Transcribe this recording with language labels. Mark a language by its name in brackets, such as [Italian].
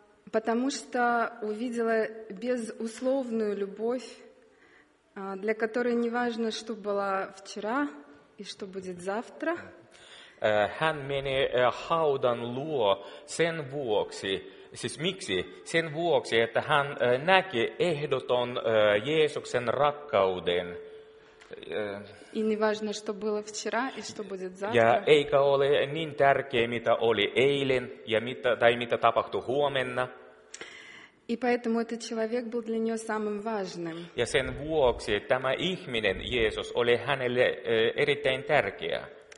[Russian] Потому что увидела безусловную любовь, для которой не важно, что было вчера и что будет завтра. [Finnish] Hän meni haudan luo sen vuoksi, siis miksi? Sen vuoksi, että hän näki ehdoton Jeesuksen rakkauden. [Russian] И не важно, что было вчера и что будет завтра. [Finnish] Ja eikä ole niin tärkeä, mitä oli eilen ja mitä, tai mitä tapahtui huomenna. [Russian] И поэтому этот человек был для нее самым важным. [Finnish] Ja sen vuoksi tämä ihminen Jeesus oli hänelle erittäin tärkeä.